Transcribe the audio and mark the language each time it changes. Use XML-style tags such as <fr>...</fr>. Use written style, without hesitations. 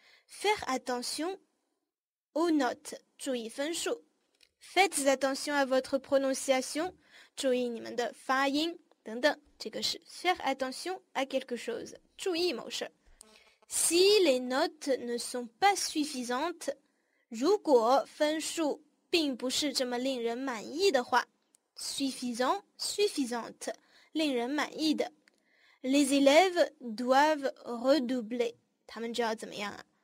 <fr>Faire attention aux notes.</fr> <zh>注意分数。</zh> <fr>Faites attention à votre prononciation,</fr> <zh>注意你们的发音等等，这个是</zh> <fr>faire attention à quelque chose,</fr> <zh>注意某事。</zh> <fr>Si les notes ne sont pas suffisantes,</fr> <zh>如果分数并不是这么令人满意的话，</zh> <fr>suffisant, suffisante,</fr> <zh>令人满意的。</zh> <fr>Les élèves doivent redoubler,</fr> <zh>他们就要怎么样啊？</zh>